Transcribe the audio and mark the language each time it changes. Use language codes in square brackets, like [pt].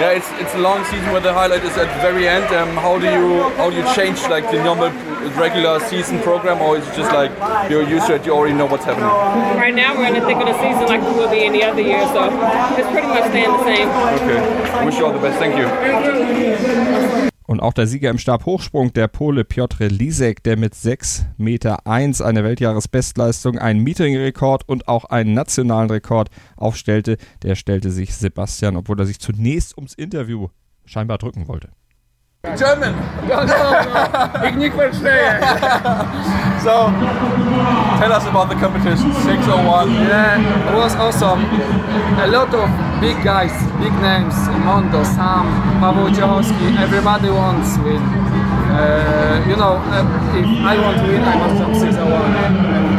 [en] Yeah, it's a long season where the highlight is at the very end. How do you change like the normal regular season program, or is it just like you're used to it, you already know what's happening? Right now we're in the thick of the season like we will be any other year, so it's pretty much staying the same. Okay. Wish you all the best. Thank you. [de] Und auch der Sieger im Stabhochsprung, der Pole Piotr Lisek, der mit 6,01 Meter eine Weltjahresbestleistung, einen Meeting-Rekord und auch einen nationalen Rekord aufstellte, der stellte sich Sebastian, obwohl er sich zunächst ums Interview scheinbar drücken wollte. [en] German! [de] Ich nicht verstehe! [en] So, tell us about the competition, 6:01. Yeah, it was awesome. A lot of big guys, big names, Mondo, Sam, Paweł Ciechowski, everybody wants to win. If I want to win, I must have 6:01.